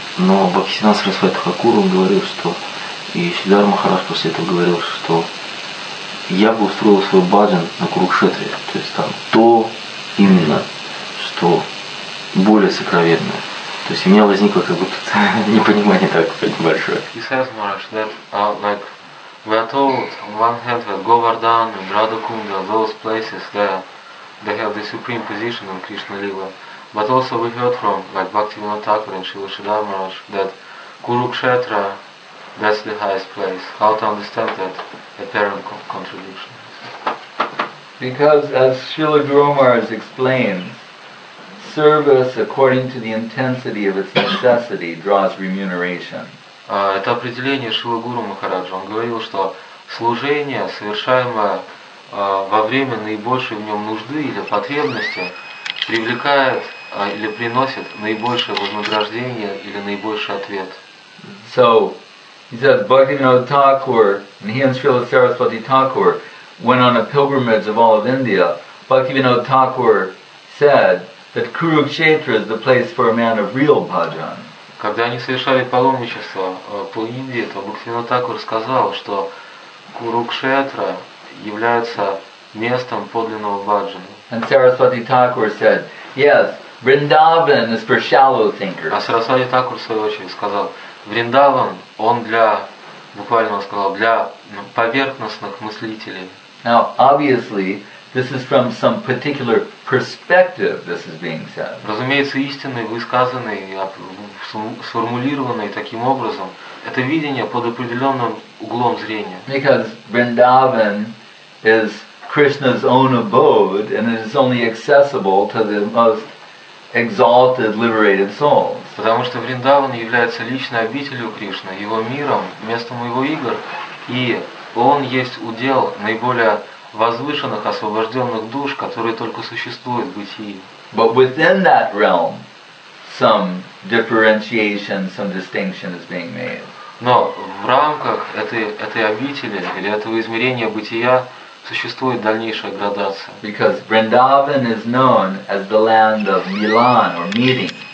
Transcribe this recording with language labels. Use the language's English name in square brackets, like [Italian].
[Russian] Но Бхактисиддханта Сарасвати Тхакур, он говорил, что и Шридхар Махарадж после этого говорил, что я бы устроил свой баджан на Курукшетре, то есть там то именно, что более сокровенное. То есть у меня возникло как будто непонимание такое большое. [English] He says, Maharaj, that like we are told on one hand that Govardhan and Radha Kunda, those places there, they have the supreme position on Krishna Lila. But also we heard from like Bhaktivinoda Thakur and Srila Sridhar Maharaj that Kurukshetra, that's the highest place. How to understand that apparent contradiction? Because as Srila Guru Maharaj explains, service according to the intensity of its necessity draws remuneration. [Russian] Это определение Шрилы Гуру Махараджа. Он говорил, что служение, совершаемое во время наибольшей в нем нужды или потребности, привлекает или приносит наибольшее вознаграждение или наибольший ответ. [English] So, he says, Bhaktivinoda Thakur, and he and Srila Saraswati Thakur went on a pilgrimage of all of India. Bhaktivinoda Thakur said that Kurukshetra is the place for a man of real bhajan. [Russian] Когда они совершали паломничество по Индии, то Бхактивинода Такур сказал, что Курукшетра является местом подлинного бхаджана. [English] And Saraswati Thakur said, yes, Vrindavan is for shallow thinkers. [Russian] А Сарасвати Такур в свою очередь сказал, Вриндаван, он для, буквально он сказал, для поверхностных мыслителей. [English] Now, obviously, this is from some particular perspective this is being said. [Russian] Разумеется, истинный, высказанный, сформулированный таким образом, это видение под определенным углом зрения. [English] Because Vrindavan is Krishna's own abode and it is only accessible to the most exalted, liberated souls. [Russian] Потому что Вриндаван является личной обителью Кришны, его миром, местом его игр, и он есть удел наиболее возвышенных, освобожденных душ, которые только существуют в бытии. [English] But within that realm, some differentiation, some distinction is being made. [Russian] Но в рамках этой обители или этого измерения бытия существует дальнейшая градация. [English] Because Vrindavan is known as the land of Milan or meeting.